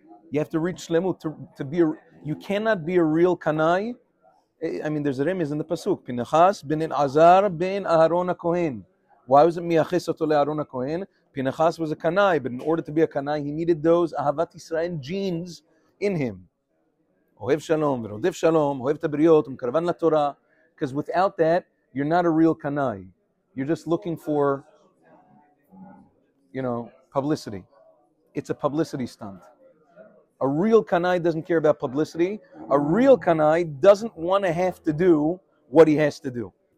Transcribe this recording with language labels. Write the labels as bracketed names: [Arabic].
[English] You have to reach shlemut to be. You cannot be a real kanai. I mean, there's a remez in the pasuk. Pinchas ben Azar ben Aharon Kohen. Why was it miyaches oto le'Aharon Kohen? Pinchas was a kanai, but in order to be a kanai, he needed those ahavat Yisrael genes in him. [Hebrew] אוהב שלום ורודף שלום, אוהב את הבריות ומקרבן לתורה. [English] Because without that, you're not a real kanai. You're just looking for, you know, publicity. It's a publicity stunt. A real kanai doesn't care about publicity. A real kanai doesn't want to have to do what he has to do.